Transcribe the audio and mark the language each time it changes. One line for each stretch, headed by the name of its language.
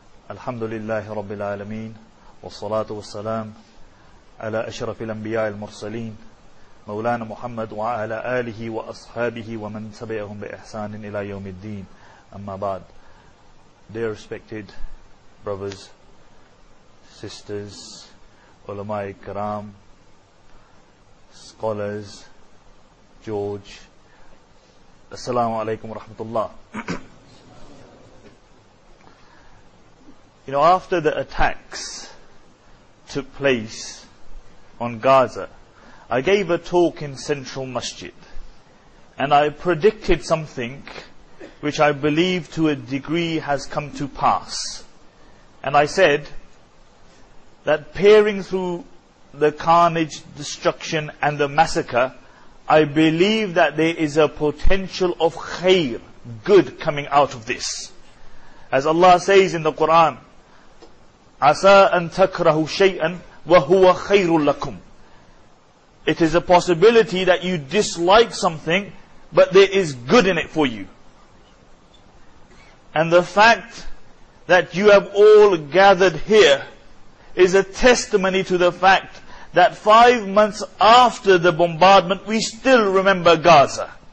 Arabic: الحمد لله رب العالمين والصلاة والسلام على أشرف الأنبياء المرسلين مولانا محمد وعلى آله وأصحابه ومن تبعهم بإحسان إلى يوم الدين أما بعد.
English: Dear respected brothers, sisters,
Arabic: علماء الكرام,
English: scholars, George,
Arabic: السلام عليكم ورحمة الله.
English: You know, after the attacks took place on Gaza, I gave a talk in Central Masjid, and I predicted something which I believe to a degree has come to pass. And I said that peering through the carnage, destruction and the massacre, I believe that there is a potential of khair, good coming out of this. As Allah says in the Quran,
Arabic: عَسَىٰ أَن تَكْرَهُ شَيْئًا وَهُوَ خَيْرٌ لَكُمْ.
English: It is a possibility that you dislike something, but there is good in it for you. And the fact that you have all gathered here is a testimony to the fact that 5 months after the bombardment, we still remember Gaza.